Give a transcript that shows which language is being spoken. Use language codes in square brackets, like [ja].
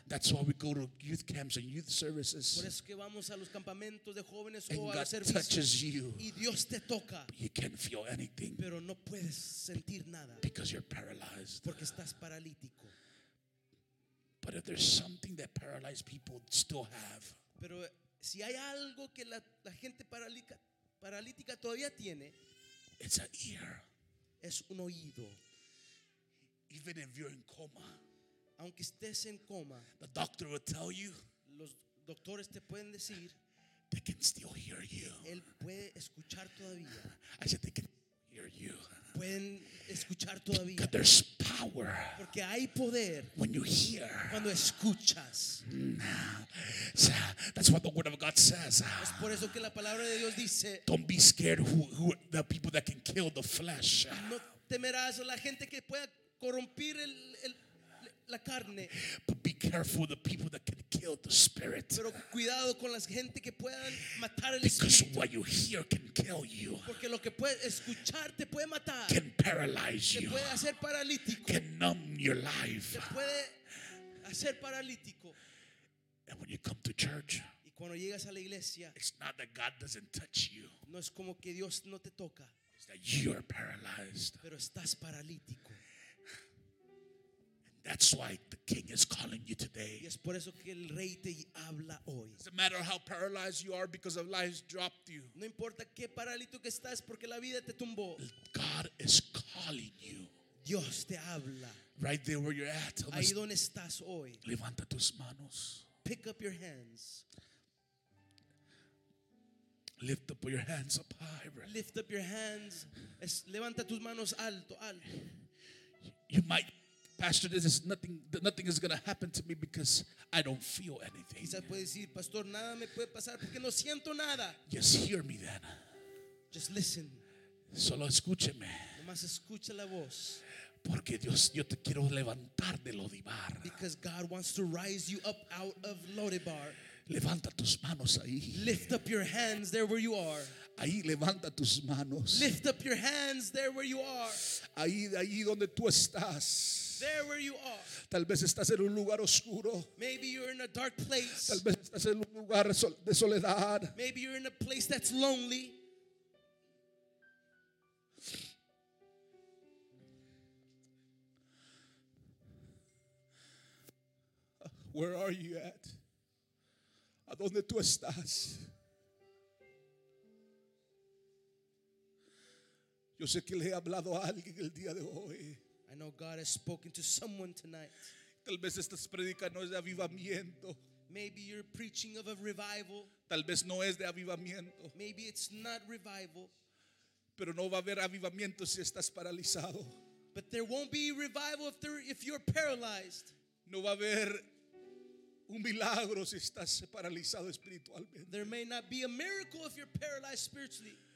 [en] That's why we go to youth camps and youth services. [es] Por eso que vamos a los campamentos de jóvenes o a los servicios. [en] And God touches you. [es] Y Dios te toca. [en] But you can't feel anything. [es] Pero no puedes sentir nada. [en] Because you're paralyzed. [es] Porque estás paralítico. [en] But if there's something that paralyzed people still have. [es] Pero si hay algo que la gente paralítica todavía tiene. [en] It's an ear. [es] Es un oído. [en] Even if you're in coma. [es] Aunque estés en coma, [en] the doctor will tell you. [es] Los doctores te pueden decir. [en] They can still hear you. [es] Él puede escuchar todavía. [en] I said they can hear you. [es] Pueden escuchar todavía. [en] Because there's power. [es] Porque hay poder. [en] When you hear. [es] Cuando escuchas. [en] So that's what the word of God says. [es] Es por eso que la palabra de Dios dice. [en] Don't be scared who the people that can kill the flesh. [es] No temerás la gente que pueda corromper el la carne. [en] But be careful the people that can kill the spirit. [es] Pero cuidado con las gente que puedan matar el [en] Because [es] espíritu. [en] What you hear can kill you. [es] Porque lo que puedes escuchar te puede matar. [en] Can paralyze you. [es] Te puede hacer paralítico. [en] Can numb your life. [es] Te puede hacer paralítico. [en] And when you come to church. [es] Y cuando llegas a la iglesia. [en] It's not that God doesn't touch you. [es] No es como que Dios no te toca. [en] It's that you're paralyzed. [es] Pero estás paralítico. [en] That's why the king is calling you today. [es] Es por eso que el rey te habla hoy. [en] It doesn't matter how paralyzed you are because of life's dropped you. [es] No importa qué paralítico que estás porque la vida te tumbó. [en] God is calling you. [es] Dios te habla. [en] Right there where you're at. [es] Ahí donde estás hoy. Levanta tus manos. [en] Pick up your hands. Lift up your hands up high. Bro. Lift up your hands. [es] Levanta tus manos alto, alto. [en] You might. Pastor, this is nothing. Nothing is going to happen to me because I don't feel anything. [es] Quizás puede decir, pastor, nada me puede pasar porque no siento nada. [en] Just hear me then. Just listen. [es] Solo escúcheme. Nomás escucha la voz. Porque Dios, yo te quiero levantar de Lodibar. [en] Because God wants to rise you up out of Lodibar. [es] Levanta tus manos ahí. [en] Lift up your hands there where you are. [es] Ahí levanta tus manos. [en] Lift up your hands there where you are. [es] Ahí donde tú estás. [en] There where you are. [es] Tal vez estás en un lugar oscuro. [en] Maybe you're in a dark place. [es] Tal vez estás en un lugar de soledad. [en] Maybe you're in a place that's lonely. Where are you at? [es] ¿A dónde tú estás? Yo sé que le he hablado a alguien el día de hoy. [en] I know God has spoken to someone tonight. [es] Tal vez estás predicando de avivamiento. [en] Maybe you're preaching of a revival. [es] Tal vez no es de avivamiento. [en] Maybe it's not revival. [es] Pero no va a haber avivamiento si estás paralizado. [en] But there won't be revival if you're paralyzed. [es] No va a haber un milagro si estás paralizado espiritualmente. [en] There may not be a miracle if you're paralyzed spiritually.